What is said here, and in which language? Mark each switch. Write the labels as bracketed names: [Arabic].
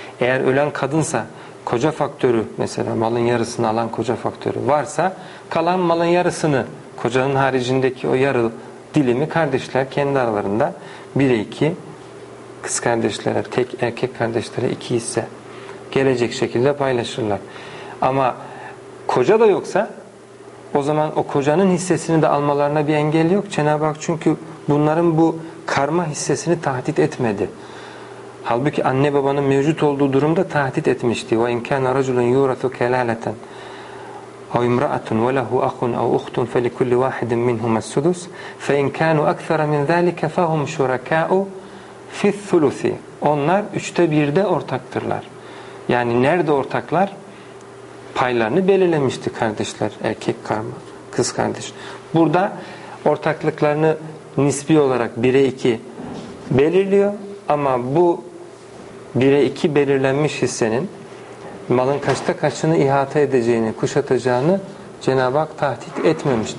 [Turkish] Eğer ölen kadınsa, koca faktörü mesela, malın yarısını alan koca faktörü varsa, kalan malın yarısını, kocanın haricindeki o yarı dilimi kardeşler kendi aralarında 1'e 2, kız kardeşlere, tek erkek kardeşlere 2 ise gelecek şekilde paylaşırlar. Ama koca da yoksa o zaman o kocanın hissesini de almalarına bir engel yok. Cenab-ı Hak çünkü bunların bu karma hissesini tahdit etmedi. Halbuki anne babanın mevcut olduğu durumda tahdit etmişti. [Arabic] وَاِنْ كَانَ رَجُلٌ يُورَثُ كَلَالَةً وَاِمْرَأَةٌ وَلَهُ أَخٌ اَوْ اُخْتٌ فَلِكُلِّ وَاحِدٍ مِّنْهُمَ السُّدُسُ فَاِنْ كَانُوا أَكْثَرَ مِنْ ذَٰلِكَ فَهُمْ شُرَكَاءُ فِي الثُّلُثِ [Turkish] onlar üçte birde ortaktırlar. Yani nerede ortaklar? Paylarını belirlemişti kardeşler, erkek karma, kız kardeş. Burada ortaklıklarını nisbi olarak 1'e 2 belirliyor. Ama bu 1'e 2 belirlenmiş hissenin malın kaçta kaçını ihata edeceğini, kuşatacağını Cenab-ı Hak tahdit etmemiş.